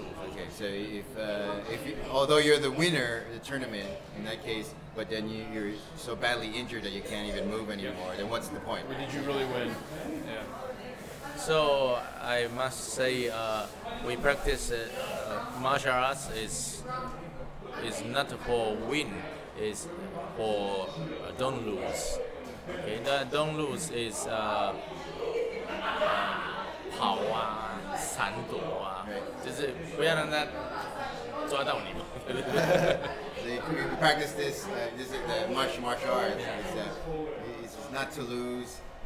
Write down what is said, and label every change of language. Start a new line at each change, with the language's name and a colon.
English: Okay, so although you're the winner of the tournament in that case, but then you're so badly injured that you can't even move anymore, then what's the point? Or did you really win? So I must say, we practice martial arts is not for win, it's for don't lose.
Chinese: Okay, that don't lose is 跑啊,闪躲啊,就是不要让他抓到你嘛。
English: So you practice this, this is the martial arts, it's not to lose.